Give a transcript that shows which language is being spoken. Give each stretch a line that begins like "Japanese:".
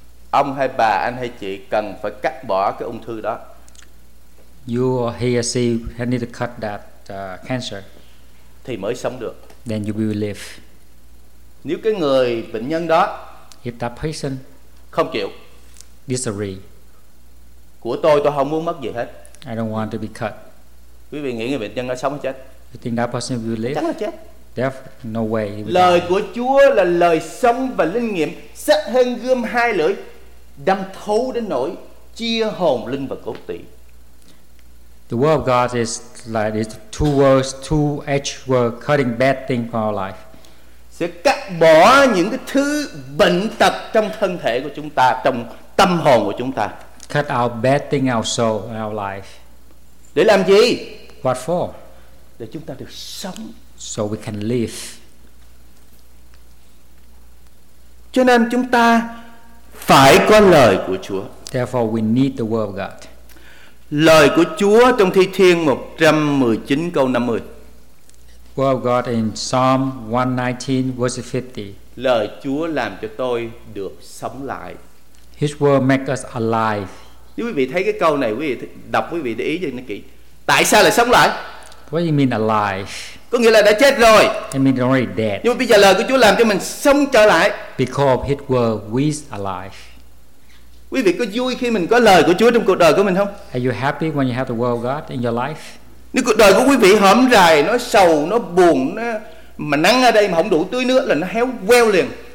Vietnamese: ông hay bà, anh hay chị cần phải cắt bỏ cái ung thư đó.
English: You or he or she need to cut that cancer.
Vietnamese: Thì mới sống được.
English: Then you will live.
Vietnamese: Nếu cái người bệnh nhân đó,
English: if that patient
Vietnamese: không chịu,
English: disagree,
Vietnamese: của tôi không muốn mất gì hết.
English: I don't want to be cut.
Vietnamese: Quý vị nghĩ người bệnh nhân đó sống hay chết?
English: You think that person will live?
Vietnamese: Chắc là chết.
English: Death, no way.
Vietnamese: Lời của Chúa là lời sống và linh nghiệm, sắc hơn gươm hai lưỡi, đâm thấu đến nỗi chia hồn linh và cốt tủy.
English: The word of God is like it's two words, two edged word, cutting bad things from our life.
Vietnamese: Sẽ cắt bỏ những cái thứ bệnh tật trong thân thể của chúng ta, trong tâm hồn của chúng ta.
English: Cut out bad things, our soul, our life.
Vietnamese: Để làm gì?
English: What for?
Vietnamese: Để chúng ta được sống.
English: So we can live.
Vietnamese: Cho nên chúng ta phải có lời của Chúa.
English: Therefore we need the word of God.
Vietnamese: Lời của Chúa trong Thi Thiên 119 câu 50.
English: Word of God in Psalm 119 verse 50.
Vietnamese: Lời Chúa làm cho tôi được sống lại.
English: His word make us alive.
Vietnamese: Nếu quý vị thấy cái câu này, quý vị đọc quý vị để ý cho nó kỹ. Tại sao lại sống lại?
English: What do you mean alive?
Vietnamese: Có nghĩa là đã chết rồi.
English: It means already dead.
Vietnamese: Nhưng bây giờ lời của Chúa làm cho mình sống trở lại.
English: Because of His word, we are alive.
Vietnamese: Quý vị có vui khi mình có lời của Chúa trong cuộc đời của mình không?
English: Are you happy when you have the word of God in your life?
Vietnamese: Nếu cuộc đời của quý vị hõm rài, nó sầu, nó buồn, nó mà nắng ở đây mà không đủ tưới nước là nó héo queo liền.